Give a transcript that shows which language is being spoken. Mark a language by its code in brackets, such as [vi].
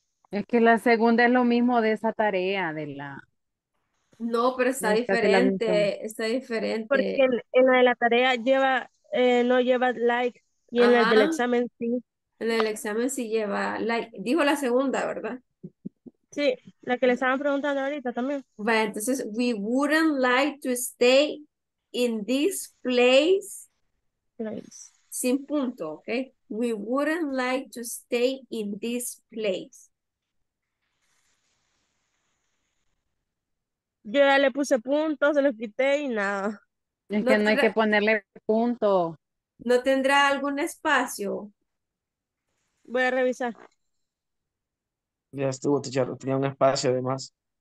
[es] Es que la segunda es lo mismo de esa tarea de la. No, pero está diferente. Está diferente. Porque en la de la tarea lleva, no lleva like y en el del examen sí. En el examen sí lleva like. Dijo la segunda, ¿verdad? Sí, la que le estaban preguntando ahorita también. Bueno, entonces, [en] we wouldn't like to stay in this place. Place. [es] Sin punto, ¿ok? [en] We wouldn't like to stay in this place. [es] Yo ya le puse puntos, se los quité y nada. Es que no hay que ponerle punto. ¿No tendrá algún espacio? Voy a revisar. Ya estuvo, teacher. Tenía un espacio además.